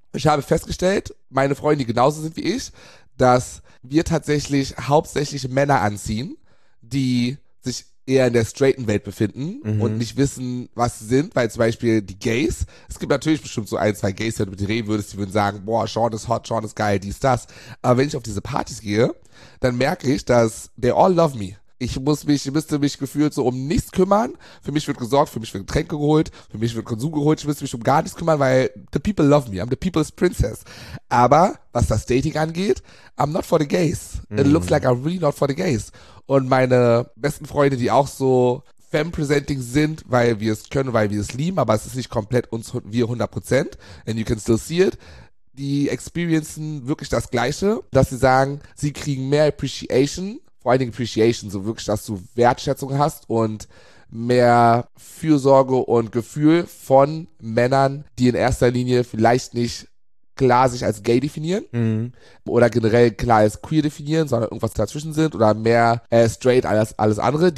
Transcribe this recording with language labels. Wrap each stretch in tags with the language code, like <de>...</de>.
<de>Ich habe festgestellt, meine Freunde, die genauso sind wie ich, dass wir tatsächlich hauptsächlich Männer anziehen, die sich eher in der straighten Welt befinden und nicht wissen, was sie sind, weil zum Beispiel die Gays, es gibt natürlich bestimmt so ein, zwei Gays, wenn du mit dir reden würdest, die würden sagen, boah, Sean ist hot, Sean ist geil, dies, das. Aber wenn ich auf diese Partys gehe, dann merke ich, dass</de> <en>they all love me.</en> <de>Ich müsste mich gefühlt so um nichts kümmern. Für mich wird gesorgt, für mich wird Getränke geholt, für mich wird Konsum geholt, ich müsste mich um gar nichts kümmern, weil</de> <en>the people love me. I'm the people's princess.</en> <de>Aber was das Dating angeht,</de> <en>I'm not for the gays. It looks like I'm really not for the gays.</en> <de>Und meine besten Freunde, die auch so femme-presenting sind, weil wir es können, weil wir es lieben, aber es ist nicht komplett uns, wir 100%,</de> <en>and you can still see it,</en> <de>die experiencen wirklich das Gleiche, dass sie sagen, sie kriegen mehr Appreciation, vor allen Dingen Appreciation, so wirklich, dass du Wertschätzung hast und mehr Fürsorge und Gefühl von Männern, die in erster Linie vielleicht nicht klar sich als gay definieren oder generell klar als queer definieren, sondern irgendwas dazwischen sind oder mehr straight als alles andere.</de>